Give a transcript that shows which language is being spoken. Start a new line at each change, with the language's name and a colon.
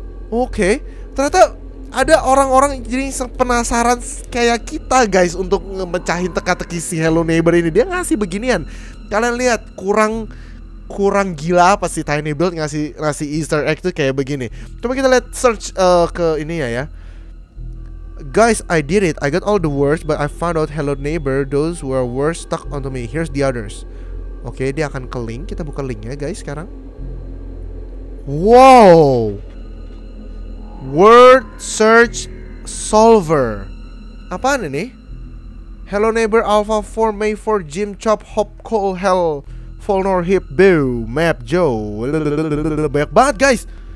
Indonesian: Oke, ternyata ada orang-orang jadi penasaran kayak kita guys untuk memecahin teka-teki si Hello Neighbor ini. Dia ngasih beginian. Kalian lihat, kurang gila apa sih Tiny Build ngasih Easter egg tuh kayak begini. Coba kita lihat search ke ini ya.
English: Guys, I did it. I got all the words, but I found out Hello Neighbor, those were words stuck onto me. Here's the others.
Indonesian: Oke, dia akan ke link. Kita buka linknya guys sekarang. Wow, Word Search Solver. Apaan ini? Hello Neighbor Alpha 4 May 4 Jim Chop Hop Call Hell Fulnor Hip Boo Map Joe. Banyak banget guys.